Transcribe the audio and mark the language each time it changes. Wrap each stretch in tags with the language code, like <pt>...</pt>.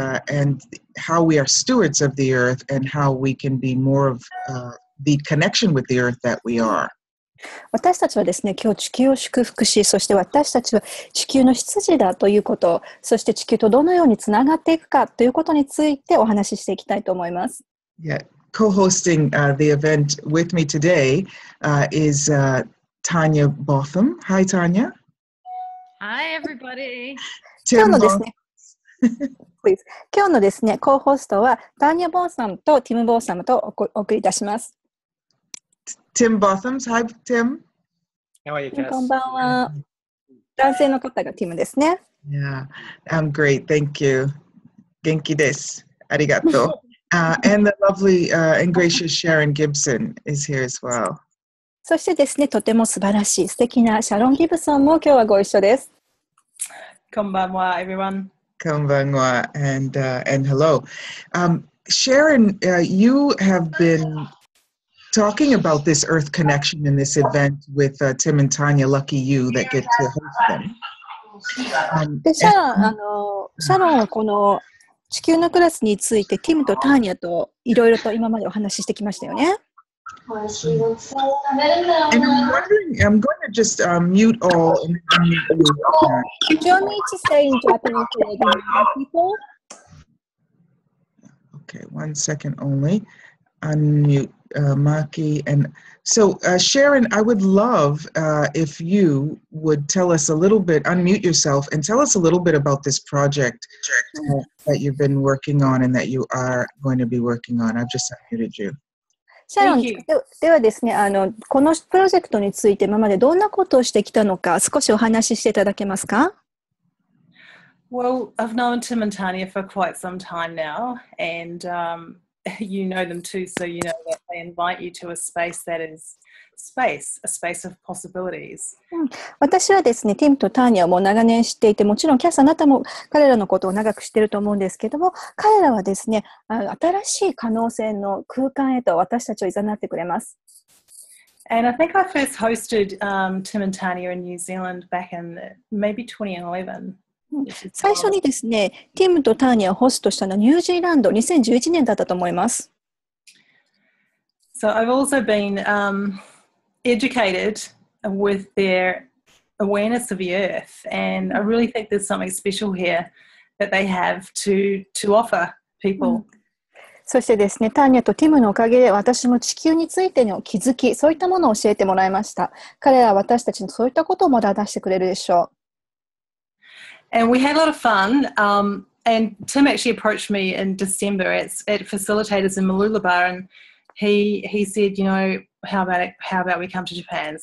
<en>And how we are stewards of the earth and how we can be more of the connection with the earth that we are.</en> <ja>私たちはですね、今日地球を祝福し、そして私たちは地球の羊だということ、そして地球とどのようにつながっていくかということについてお話ししていきたいと思います。</ja> <en>Yeah. Co-hosting the event with me today is Tanya Botham. Hi, Tanya. Hi, everybody.</en> <ja>今日のですね、</ja> <en>Please.</en> <ja>今日のですね、コーホストはタニア・ボーサムとティム・ボーサムとお送りいたします。</ja> <en>Tim Bothams. Hi, Tim. How are you, Kass?</en> <ja>こんばんは。男性の方がティムですね。</ja> <en>Yeah, I'm great. Thank you.</en> <ja>元気です。ありがとう。</ja> <en>and the lovely and gracious Sharon Gibson is here as well.</en> <ja>そしてですね、とても素晴らしい素敵なシャロン・ギブソンも今日はご一緒です。こんばんは、</ja> <en>everyone.</en> <ja>こんばんは</ja> <en>and hello. Sharon, you have been talking about this earth connection in this event with Tim and Tanya, lucky you that get to host them.</en> <ja>で、シャロン、シャロンはこの地球のクラスについて、ティムとターニャといろいろと今までお話ししてきましたよね。</ja> <en>And I'm going to just mute all. Can you want me to say in Japanese people? Okay, one second only. Unmute Maki. And so Sharon, I would love if you would tell us a little bit, unmute yourself and tell us a little bit about this project that you've been working on and that you are going to be working on. I've just unmuted you.</en> <ja>シャロン、ではですね、このプロジェクトについて今までどんなことをしてきたのか少しお話ししていただけますか?</ja> <en>Well, I've known Tim and Tanya for quite some time now, and you know them too, so you know that they invite you to a space that is space, a space of possibilities.</en> <ja>私はですね、Tim とTanyaをもう長年知っていて、もちろんKassあなたも彼らのことを長く知っていると思うんですけども、彼らはですね、新しい可能性の空間へと私たちを誘ってくれます。</ja> <en>And I think I first hosted Tim and Tanya in New Zealand back in maybe 2011.</en> <ja>最初にですね、Tim とTanyaをホストしたのはニュージーランド、2011年だったと思います。</ja> <en>So I've also been educated with their awareness of the earth, and I really think there's something special here that they have to offer people.</en> <ja>そしてですね、TanyaとTimのおかげで私も地球についての気づき、そういったものを教えてもらいました。彼らは私たちにそういったことをまだ出してくれるでしょう。</ja> <en>And we had a lot of fun. And Tim actually approached me in December at facilitators in Mooloolaba, and he said, you know, how about we come to Japan?</en>